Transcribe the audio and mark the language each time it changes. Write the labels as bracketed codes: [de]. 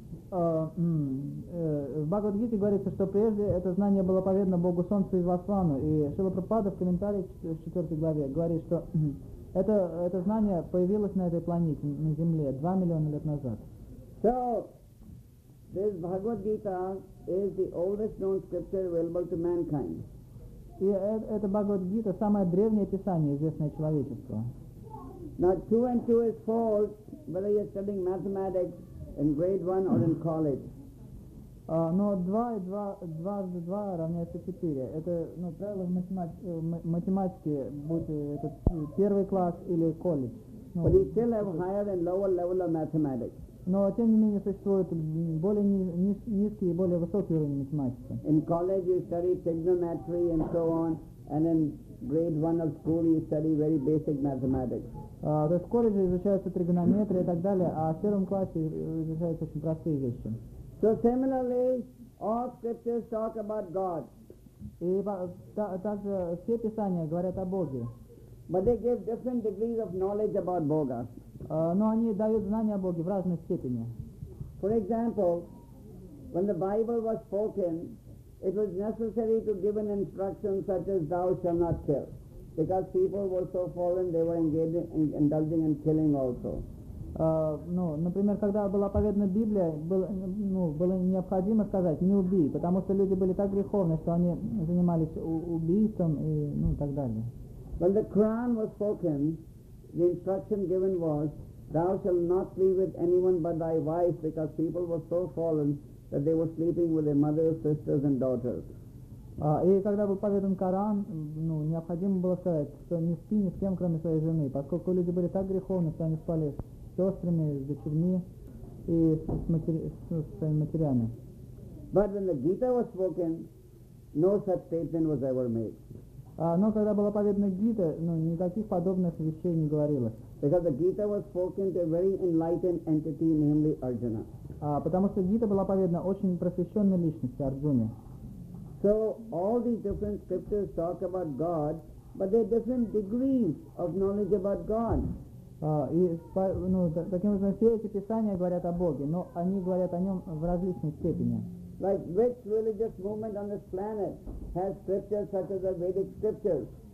[ru] В Бхагавад-гите говорится, что прежде это знание было поведано Богу Солнцу и Васвану. И Шрила Прабхупада в комментарии в 4 главе говорит, что это знание появилось на этой планете, на Земле, 2 миллиона лет назад. [en] So, this Bhagavad-gita is the oldest known scripture available to mankind. [ru] И это Бхагавад-гита самое древнее писание, известное человечеству. [en] Now, 2 and 2 is 4, whether you're studying mathematics in grade 1 or in college. [ru] Но 2 и 2 равняется 4. Это, ну, правило в математике, будь это первый класс или колледж. [en] But you still have higher and lower level of mathematics. [ru] Но тем не менее существуют более низкие и более высокие уровни математики. [en] In college you study trigonometry and so on, and in grade 1 of school you study very basic mathematics. [ru] То есть в колледже изучаются тригонометрия и так далее, а в первом классе изучаются очень простые вещи. [en] So similarly, all scriptures talk about God. [ru] И также все писания говорят о Боге. [en] But they give different degrees of knowledge about Boga. [ru] Но они дают знания о Боге в разной степени. [en] For example, when the Bible was spoken, it was necessary to give an instruction such as "Thou shalt not kill," because people were so fallen, they were indulging in killing also. [ru] Ну, например, когда была поведена Библия, было необходимо сказать "не убий", потому что люди были так греховны, что они занимались убийством и, ну, и так далее. [en] When the Quran was spoken, the instruction given was, "Thou shalt not sleep with anyone but thy wife," because people were so fallen that they were sleeping with their mothers, sisters, and daughters. [ru] И когда был поведен Коран, ну, необходимо было сказать, что не спи ни с кем, кроме своей жены, поскольку люди были так греховны, что они спали с сестрами, с дочерьми и с своими матерями. [en] But when the Gita was spoken, no such statement was ever made. [ru] Но когда была поведена Гита, ну, никаких подобных вещей не говорилось. [en] Because the Gita was spoken to a very enlightened entity, namely Arjuna. [ru] Потому что Гита была поведена очень просвещенной личности, Арджуне. [en] So all these different scriptures talk about God, but there are different degrees of knowledge about God. [ru] Таким образом, все эти писания говорят о Боге, но они говорят о нем в различной степени. [en] Like which religious movement on this planet has scriptures such as the Vedic scriptures?